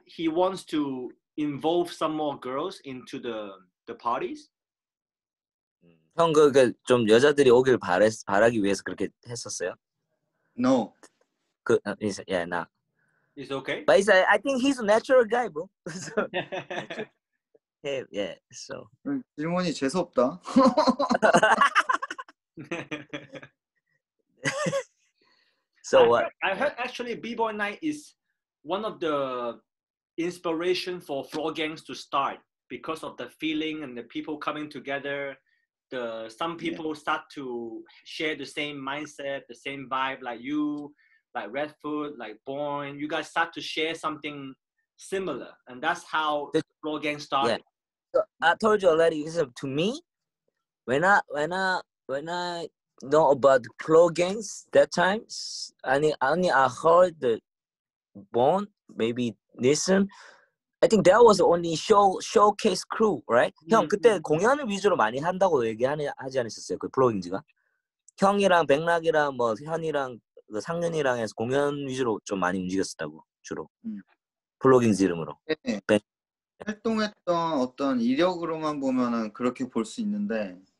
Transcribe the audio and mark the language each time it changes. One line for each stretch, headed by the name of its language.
English: He wants to involve some more girls into the parties?
Korean: 형, 그 좀 여자들이 오길 바라기 위해서 그렇게 했었어요?
English: No. 그, is, yeah, nah. It's okay? But it's, I think he's a natural guy, bro. So, yeah, so.
Korean: 질문이 재수 없다.
English: So I heard actually B-boy night is one of the inspiration for floor gangs to start because of the feeling and the people coming together. Some people start to share the same mindset, the same vibe like you, like Redfoot, like Bourne. You guys start to share something similar, and that's how the floor gang started. Yeah. So I told you already. So to me, when I know about floor gangs that time, I heard the Bourne, maybe Nielsen. I think that was only showcase crew, right? Mm-hmm.
Korean: 형 그때 공연을 위주로 많이 한다고 얘기하지 않았었어요? 그 플로잉즈가 형이랑 백락이랑 뭐 현이랑 그 상윤이랑 해서 공연 위주로 좀 많이 움직였었다고 주로 플로잉즈 이름으로. 네. 활동했던 어떤 이력으로만 보면은 그렇게 볼 수 있는데.